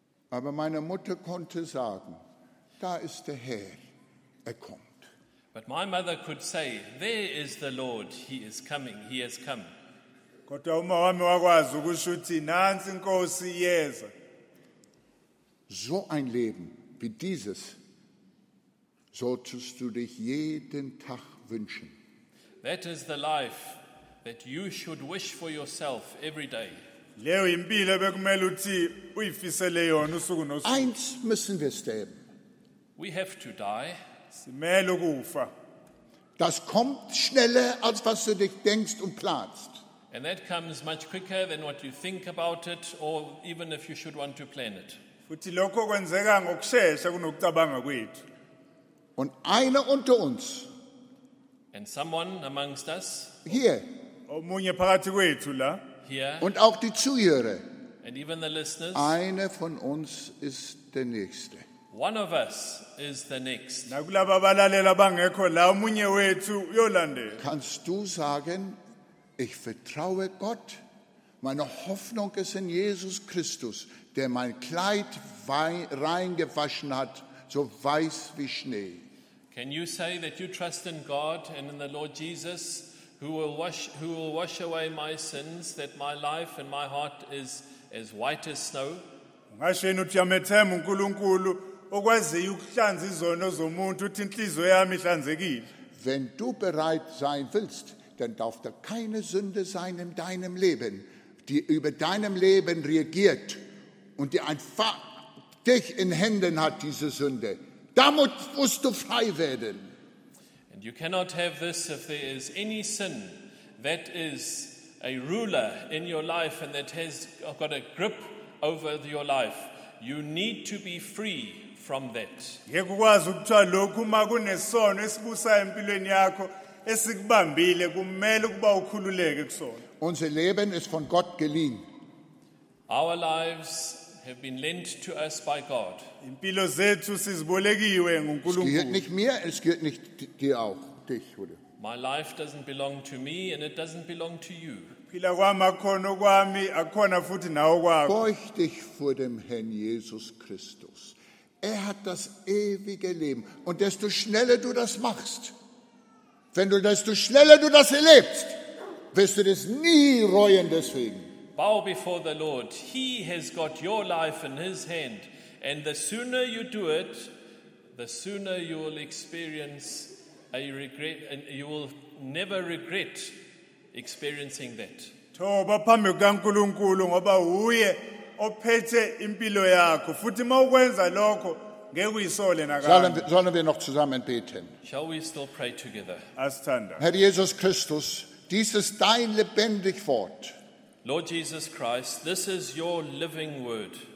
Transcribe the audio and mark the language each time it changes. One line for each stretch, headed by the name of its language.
German: Aber meine Mutter konnte sagen, da ist der Herr, er kommt.
English: But my mother could say, there is the Lord, he is coming, he has come.
Zulu: Kodwa uma wami wakwazi ukusho ukuthi nansi inkosi iyeza.
German: So ein Leben wie dieses solltest du dich jeden Tag wünschen.
English: That is the life that you should wish for yourself every day.
Zulu: Leo impilo bekumele ukuthi uyifisele yona usuku nosuku.
German: Eins müssen wir streben.
English: We have to die.
Zulu: Simele Rufa.
German: Das kommt schneller, als was du dich denkst und planst.
English: And that comes much quicker than what you think about it, or even if you should want to plan it.
Zulu: Futhi lokho kwenzeka ngokusheshsha kunokucabanga kwethu.
German: Und einer unter uns.
English: And someone amongst us.
German: Hier.
Zulu: Omunye phakathi kwethu la.
German: Hier. Und auch die Zuhörer.
English: And even the listeners.
German: Einer von uns ist der Nächste.
English: One of us is the next.
Zulu: Nakulaba balalela bangekho la omunye wethu uyolandela.
German: Kannst du sagen, ich vertraue Gott? Meine Hoffnung ist in Jesus Christus, der mein Kleid reingewaschen hat, so weiß wie Schnee.
English: Can you say that you trust in God and in the Lord Jesus, who will wash away my sins, that my life and my heart is as white as snow?
Zulu: Ungasheni uthi uyamethemba uNkulunkulu okwaziyo ukuhlanza izono zomuntu uthi inhliziyo yami ihlanzekile.
German: Wenn du bereit sein willst, dann darf da keine Sünde sein in deinem Leben, die über deinem Leben regiert und die einfach dich in Händen hat, diese Sünde. Damit musst du frei werden.
English: And you cannot have this if there is any sin that is a ruler in your life and that has got a grip over your life. You need to be free from that.
Zulu: Yekukwazi ukuthiwa lokhu uma kunesono esibusa empilweni yakho. Esikubambile kumele ukuba ukhululeke kusona.
German: Unser Leben ist von Gott geliehen.
English: Our lives have been lent to us by God.
Zulu: Impilo zethu sizibolekiwe nguNkulunkulu.
German: Es gehört nicht mir, es gehört nicht dir auch, dich oder.
English: My life doesn't belong to me and it doesn't belong to you.
Zulu: Phila kwami akhona okwami, akhona futhi nawe okwakho.
German: Beug dich vor dem Herrn Jesus Christus. Er hat das ewige Leben und desto schneller du das machst. Wenn du, desto schneller du das erlebst, wirst du das nie reuen deswegen.
English: Bow before the Lord. He has got your life in his hand. And the sooner you do it, the sooner you will experience a regret. And you will never regret experiencing that.
Zulu: Thoba phambi kukaNkulunkulu ngoba uye ophethe impilo yakho. Futhi uma ukwenza lokho,
German: Sollen wir noch zusammen beten?
English: Shall we still pray together?
German: Herr Jesus Christus, dies ist dein lebendig Wort.
English: Lord Jesus Christ, this is your living word.